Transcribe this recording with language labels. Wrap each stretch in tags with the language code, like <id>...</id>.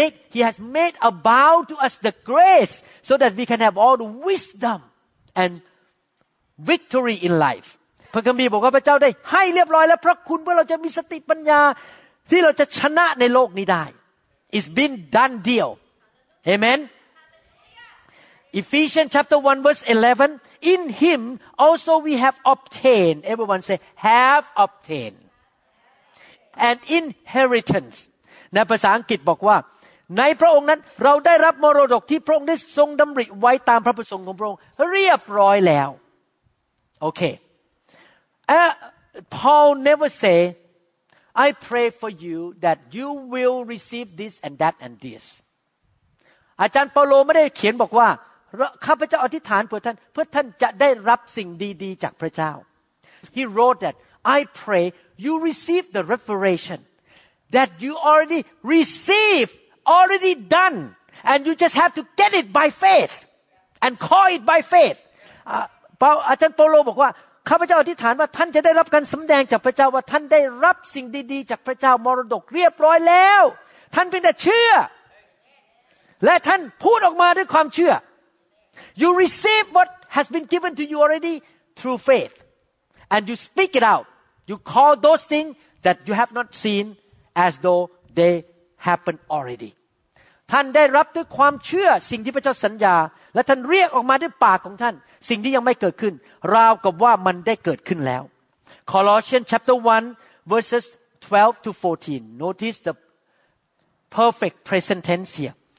<en>He has made abound to us the grace so that we can have all the wisdom and victory in life.</en> <th>พระคัมภีร์บอกว่าพระเจ้าได้ให้เรียบร้อยและพระคุณเพื่อเราจะมีสติปัญญาที่เราจะชนะในโลกนี้ได้</th> <en>It's been done deal. Amen. Ephesians chapter 1 verse 11. In him also we have obtained. Everyone say, have obtained. An inheritance.</en> <th>ในภาษาอังกฤษบอกว่าในพระองค์นั้นเราได้รับมรดกที่พระองค์ได้ทรงดำริไว้ตามพระประสงค์ของพระองค์เรียบร้อยแล้ว</th> <en>Okay. Paul never say, I pray for you that you will receive this and that and this.</en> <th>อาจารย์เปาโลไม่ได้เขียนบอกว่าข้าพเจ้าอธิษฐานเพื่อท่านจะได้รับสิ่งดีๆจากพระเจ้า</th> <en>He wrote that I pray you receive the revelation that you already receive already done and you just have to get it by faith and call it by faith</en> <th>อาจารย์เปาโลบอกว่าข้าพเจ้าอธิษฐานว่าท่านจะได้รับการสำแดงจากพระเจ้าว่าท่านได้รับสิ่งดีๆจากพระเจ้ามรดกเรียบร้อยแล้วท่านเพียงแต่เชื่อและท่านพูดออกมาด้วยความเชื่อ</th> <en>You receive what has been given to you already through faith and you speak it out you call those things that you have not seen as though they happened already</en> <th>ท่านได้รับด้วยความเชื่อสิ่งที่พระเจ้าสัญญาและท่านเรียกออกมาด้วยปากของท่านสิ่งที่ยังไม่เกิดขึ้นราวกับว่ามันได้เกิดขึ้นแล้ว</th> <en>Colossians chapter 1 verses 12 to 14 notice the perfect present tense here</en>